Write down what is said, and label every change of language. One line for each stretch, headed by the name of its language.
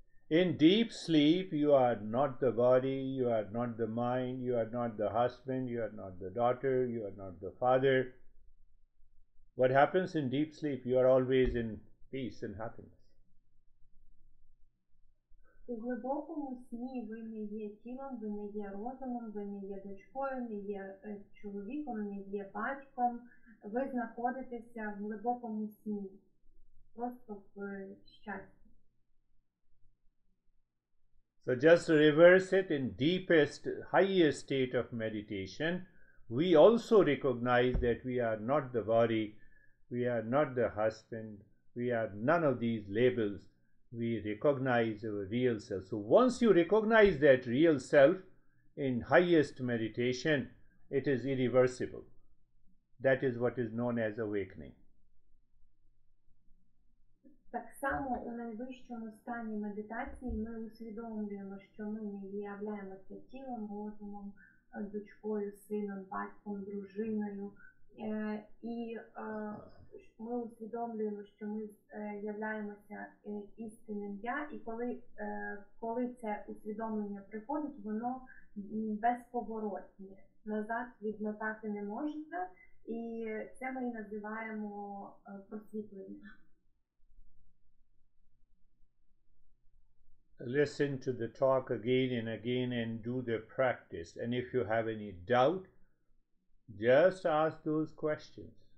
English: In deep sleep, you are not the body, you are not the mind, you are not the husband, you are not the daughter, you are not the father. What happens in deep sleep, you are always in peace and happiness.
Ukrainian: У глибокому сні ви не є тілом, ви не є розумом, ви не є дочкою, не є чоловіком, не є батьком. Ви знаходитеся в глибокому сні, просто в щасті.
English: So just reverse it in deepest, highest state of meditation. We also recognize that we are not the body, we are not the husband, we are none of these labels. We recognize our real self. So once you recognize that real self in highest meditation, it is irreversible. That is what is known as awakening.
Ukrainian: Так само у найвищому стані медитації ми усвідомлюємо, що ми не являємося тілом, розумом, дочкою, сином, батьком, дружиною. Ми усвідомлюємо, що ми являємося істинним «я», і коли це усвідомлення приходить, воно безповоротне. Назад відмотати не можна, і це ми називаємо просвітлення.
English: Listen to the talk again and again and do the practice. And if you have any doubt, just ask those questions.